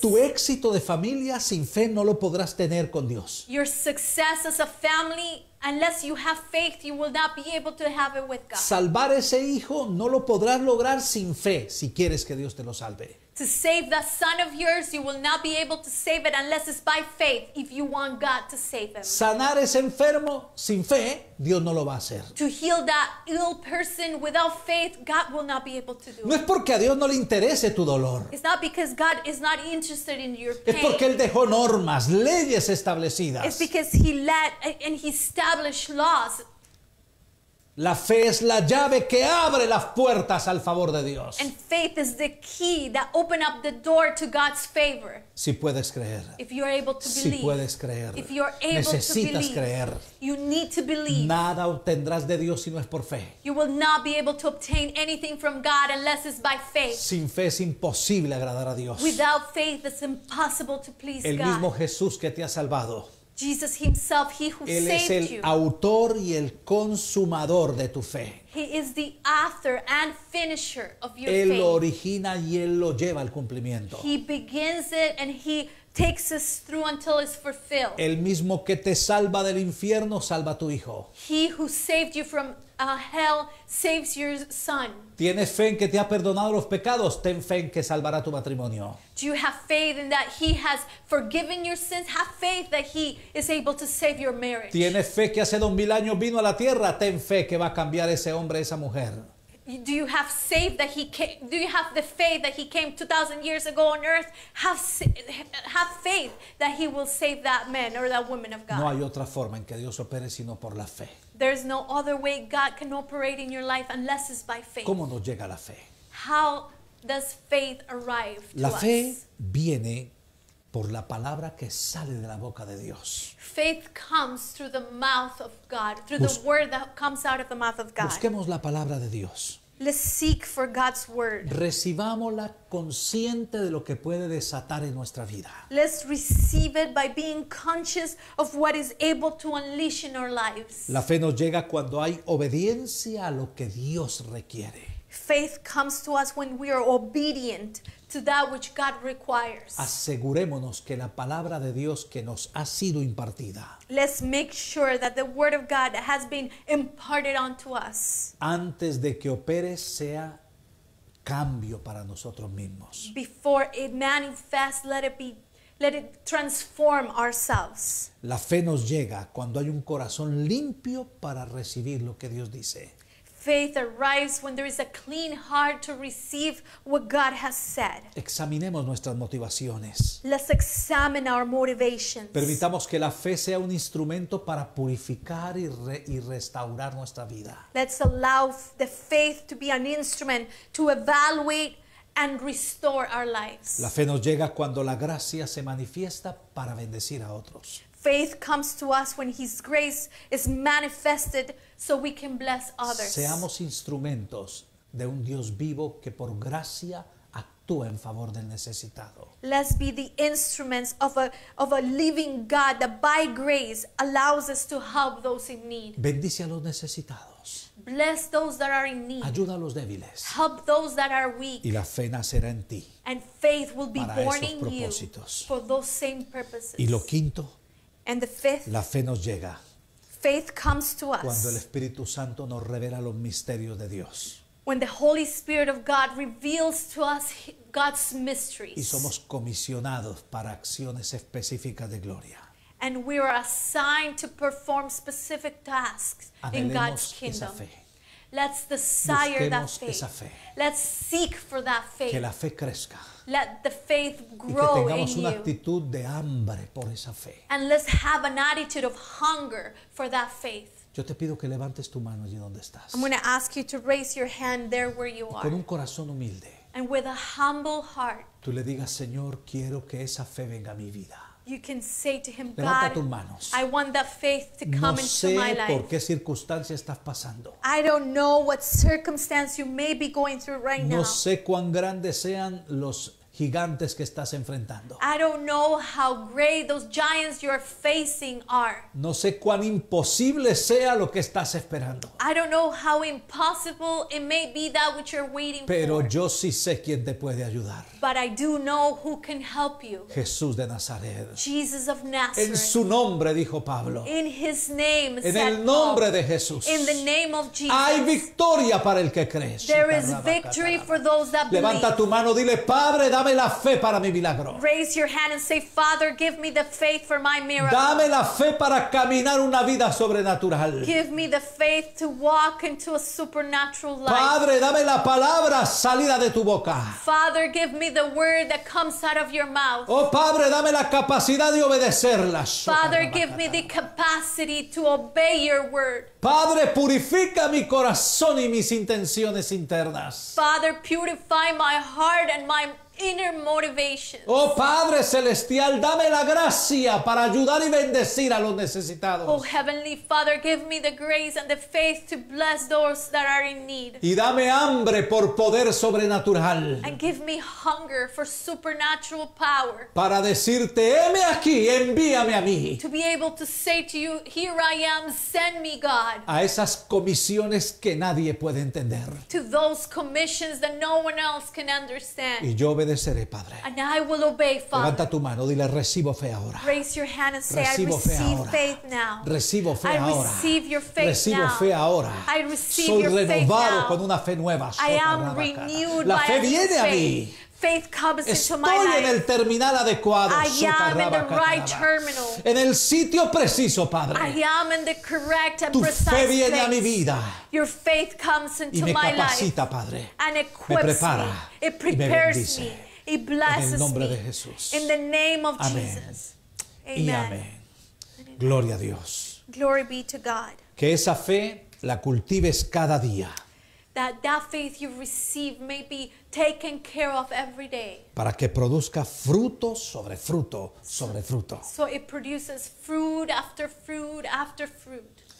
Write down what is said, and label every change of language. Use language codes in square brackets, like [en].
[es] Tu éxito de familia sin fe no lo podrás tener con Dios. [en] Your success as a family, unless you have faith, you will not be able to have it with God. [es] Salvar ese hijo no lo podrás lograr sin fe si quieres que Dios te lo salve. [en] To save that son of yours, you will not be able to save it unless it's by faith, if you want God to save him. [es] Sanar ese enfermo sin fe, Dios no lo va a hacer. [en] To heal that ill person without faith, God will not be able to do it. [es] No es porque a Dios no le interese tu dolor. [en] It's not because God is not interested in your pain. [es] Es porque él dejó normas, leyes establecidas. [en] It's because he let and he established laws. [es] La fe es la llave que abre las puertas al favor de Dios. [en] And faith is the key that opens up the door to God's favor. [es] Si puedes creer. [en] If you are able to believe. [es] Si puedes creer. [en] If you are able [es] necesitas [en] to believe. [es] Creer. [en] You need to believe. [es] Nada obtendrás de Dios si no es por fe. [en] You will not be able to obtain anything from God unless it's by faith. [es] Sin fe es imposible agradar a Dios. [en] Without faith it's impossible to please God. [es] El mismo Jesús que te ha salvado. [en] Jesus himself, he who [es] Él [en] saved [es] es el [en] you. [es] Autor y el consumador de tu fe. [en] He is the author and finisher of your [es] él [en] faith. [es] Él lo origina y él lo lleva al cumplimiento. [en] He begins it and he takes us through until it's fulfilled. [es] El mismo que te salva del infierno salva a tu hijo. [en] He who saved you from hell saves your son. [es] ¿Tienes fe en que te ha perdonado los pecados? Ten fe en que salvará tu matrimonio. [en] Do you have faith in that he has forgiven your sins? Have faith that he is able to save your marriage. [es] ¿Tienes fe que hace 2000 años vino a la tierra? Ten fe que va a cambiar ese hombre, esa mujer. [en] Do you have faith that he came? Do you have the faith that he came 2,000 years ago on earth? Have faith that he will save that man or that woman of God. [es] No hay otra forma en que Dios opere sino por la fe. [en] There is no other way God can operate in your life unless it's by faith. [es] ¿Cómo nos llega la fe? [en] How does faith arrive to us? [es] La fe viene por la palabra que sale de la boca de Dios. [en] Faith comes through the mouth of God, through the word that comes out of the mouth of God. [es] Busquemos la palabra de Dios. [en] Let's seek for God's word. [es] Recibámosla consciente de lo que puede desatar en nuestra vida. [en] Let's receive it by being conscious of what is able to unleash in our lives. [es] La fe nos llega cuando hay obediencia a lo que Dios requiere. [en] Faith comes to us when we are obedient to that which God requires. [es] Asegurémonos que la palabra de Dios que nos ha sido impartida. [en] Let's make sure that the word of God has been imparted unto us. [es] Antes de que opere sea cambio para nosotros mismos. [en] Before it manifests, let it transform ourselves. [es] La fe nos llega cuando hay un corazón limpio para recibir lo que Dios dice. [en] Faith arrives when there is a clean heart to receive what God has said. [es] Examinemos nuestras motivaciones. [en] Let's examine our motivations. [es] Permitamos que la fe sea un instrumento para purificar y restaurar nuestra vida. [en] Let's allow the faith to be an instrument to evaluate and restore our lives. [es] La fe nos llega cuando la gracia se manifiesta para bendecir a otros. [en] Faith comes to us when His grace is manifested so we can bless others. [es] Seamos instrumentos de un Dios vivo que por gracia actúa en favor del necesitado. [en] Let's be the instruments of a living God that by grace allows us to help those in need. [es] Bendice a los necesitados. [en] Bless those that are in need. [es] Ayuda a los débiles. [en] Help those that are weak. [es] Y la fe nacerá en ti. [en] And faith will be born in [es] propósitos. [en] You for those same purposes. [es] Y lo quinto. [en] And the fifth, [es] la fe nos llega. [en] Faith comes to us [es] cuando el Espíritu Santo nos revela los misterios de Dios. [en] When the Holy Spirit of God reveals to us God's mysteries. [es] Y somos comisionados para acciones específicas de gloria. [en] And we are assigned to perform specific tasks. [es] Anhelemos [en] in God's kingdom. [es] Esa fe. [en] Let's desire that faith. [es] Esa fe. [en] Let's seek for that faith. [es] Que la fe crezca. [en] Let the faith grow in you. [es] Y que tengamos una actitud de hambre por esa fe. [en] And let's have an attitude of hunger for that faith. [es] Yo te pido que levantes tu mano allí donde estás. [en] I'm going to ask you to raise your hand there where you are. [es] Con un corazón humilde. [en] And with a humble heart. [es] Tú le digas, Señor, quiero que esa fe venga a mi vida. [en] You can say to him, [es] Levanta [en] God, [es] tus manos. [en] I want that faith to come [es] no [en] into [es] sé [en] my life. [es] Por qué circunstancia estás pasando. [en] I don't know what circumstance you may be going through right [es] no [en] now. [es] No sé cuán grandes sean los gigantes que estás enfrentando. [en] I don't know how great those giants you're facing are. [es] No sé cuán imposible sea lo que estás esperando. [en] I don't know how impossible it may be that which you're waiting [es] Pero Pero yo sí sé quién te puede ayudar. [en] But I do know who can help you. [es] Jesús de Nazaret. [en] Jesus of Nazareth. [es] En su nombre, dijo Pablo. [en] In his name, [es] En el nombre de Jesús. [en] In the name of Jesus. [es] Hay victoria para el que cree. [en] There is victory for those that believe. [es] Levanta tu mano, dile, Padre, dame la fe para mi milagro. [en] Raise your hand and say, Father, give me the faith for my miracle. [es] Dame la fe para caminar una vida sobrenatural. [en] Give me the faith to walk into a supernatural life. [es] Padre, dame la palabra salida de tu boca. [en] Father, give me the word that comes out of your mouth. [es] Oh, Padre, dame la capacidad de obedecerla. [en] Father, give me the capacity to obey your word. [es] Padre, purifica mi corazón y mis intenciones internas. [en] Father, purify my heart and my inner motivations. [es] Oh, Padre Celestial, dame la gracia para ayudar y bendecir a los necesitados. [en] Oh, Heavenly Father, give me the grace and the faith to bless those that are in need. [es] Y dame hambre por poder sobrenatural. [en] And give me hunger for supernatural power. [es] Para decirte, heme aquí, envíame a mí. [en] To be able to say to you, here I am, send me, God. [es] A esas comisiones que nadie puede entender. [en] To those commissions that no one else can understand. [es] Y yo obedeceré, Padre. [en] And I will obey, Father. [es] Levanta tu mano, dile, recibo fe ahora. [en] Raise your hand and say, [es] recibo [en] I receive [es] ahora. [en] Faith now. [es] Recibo fe [en] I [es] ahora. [en] Receive your faith [es] recibo [en] now. [es] Fe ahora. [en] I receive [es] Soy [en] your faith [es] Soy renovado con [en] now. [es] Una fe nueva. [en] I am renewed [es] La [en] by [es] fe viene [en] faith. [es] A mí. [en] Faith comes [es] Estoy [en] into my life. [es] Estoy en el terminal adecuado. [en] I am in the right terminal. [es] En el sitio preciso, Padre. [en] I am in the correct and [es] tu [en] precise [es] fe viene [en] place. [es] A mi vida. [en] Your faith comes into [es] y me [en] my [es] capacita, [en] life. [es] Padre. [en] And equips me. [es] Prepara. [en] Me. It prepares me. It blesses [es] en el nombre [en] me. [es] De Jesús. [en] In the name of [es] amén. [en] Jesus. [es] Amen. Y amén. Gloria a Dios. [en] Glory be to God. [es] Que esa fe la cultives cada día. [en] that faith you receive may be taken care of every day. [es] Para que produzca fruto sobre fruto sobre fruto. [en] So it produces fruit after fruit after fruit.